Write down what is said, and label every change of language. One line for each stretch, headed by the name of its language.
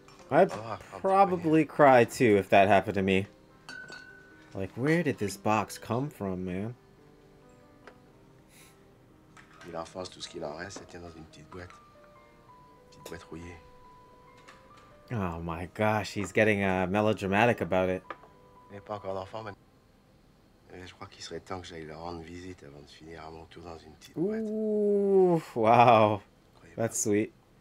English: I'd probably cry too if that happened to me. Like, where did this box come from, man?
French: Il enfonce tout ce qu'il en reste, c'était dans une petite boîte. Petite boîte rouillée.
English: Oh my gosh, he's getting melodramatic about it.
French: Il est pas encore d'enfant, mais je crois qu'il serait temps que j'aille leur rendre visite avant de finir à mon tour dans une petite boîte.
English: Ouh, wow, that's sweet.